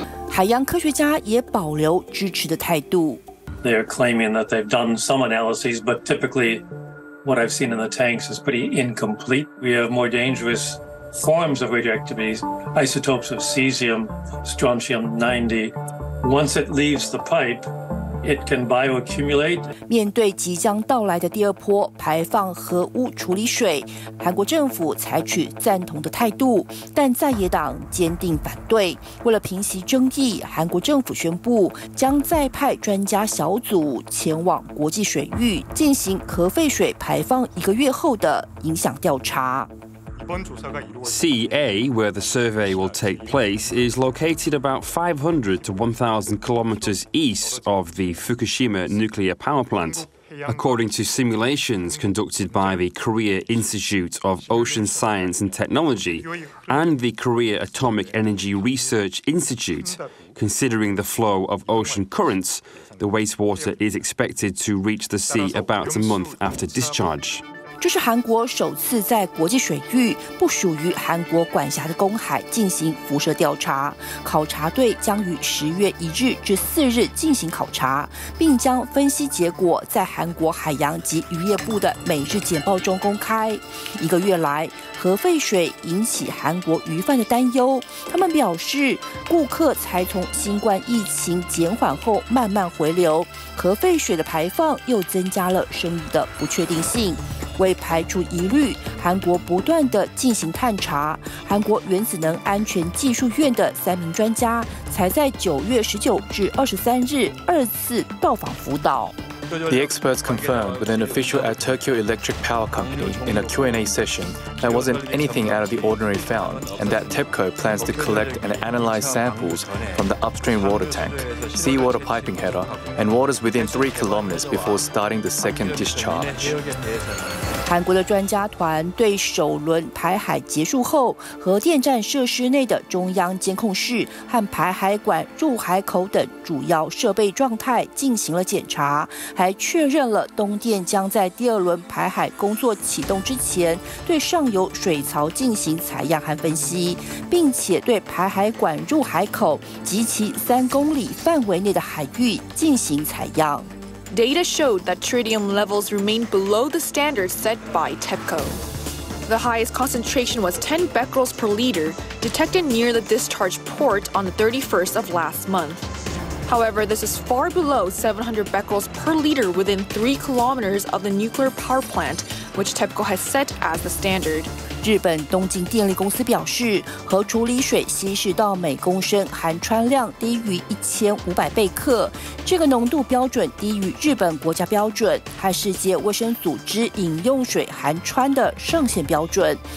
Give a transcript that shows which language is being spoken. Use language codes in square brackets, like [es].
[zh] 海洋科学家也保留支持的态度。 [en] They are claiming that they've done some analyses, but typically what I've seen in the tanks is pretty incomplete. We have more dangerous forms of radioactivities, isotopes of cesium, strontium-90. Once it leaves the pipe,It can bioaccumulate. [zh] 面对即将到来的第二波排放核污处理水，韩国政府采取赞同的态度，但在野党坚定反对。为了平息争议，韩国政府宣布将再派专家小组前往国际水域进行核废水排放一个月后的影响调查。 [en] CEA, where the survey will take place, is located about 500 to 1,000 kilometers east of the Fukushima nuclear power plant. According to simulations conducted by the Korea Institute of Ocean Science and Technology and the Korea Atomic Energy Research Institute, considering the flow of ocean currents, the wastewater is expected to reach the sea about a month after discharge. [zh] 这是韩国首次在国际水域不属于韩国管辖的公海进行辐射调查，考察队将于10月1日至4日进行考察，并将分析结果在韩国海洋及渔业部的每日简报中公开。一个月来，核废水引起韩国渔贩的担忧，他们表示顾客才从新冠疫情减缓后慢慢回流，核废水的排放又增加了生意的不确定性。为排除疑虑，韩国不断地进行探查。韩国原子能安全技术院的3名专家才在9月19日至23日二次到访福岛。 [en] The experts confirmed with an official at Tokyo Electric Power Company in a Q&A session that wasn't anything out of the ordinary found, and that TEPCO plans to collect and analyze samples from the upstream water tank, seawater piping header, and waters within 3 kilometers before starting the second discharge. [zh] 韩国的专家团对首轮排海结束后，核电站设施内的中央监控室和排海管入海口等主要设备状态进行了检查。还确认了东电将在第二轮排海工作启动之前对上游水槽进行采样和分析，并且对排海管入海口及其3公里范围内的海域进行采样。 [en] Data showed that tritium levels remain below the standard set by TEPCO. The highest concentration was 10 becquerels per liter, detected near the discharge port on the 31st of last month. However, this is far below 700 becquerels per liter within 3 kilometers of the nuclear power plant, which TEPCO has set as the standard. [zh] 日本东京电力公司表示，核处理水稀释到每公升含氚量低于1500贝克，这个浓度标准低于日本国家标准和世界卫生组织饮用水含氚的上限标准。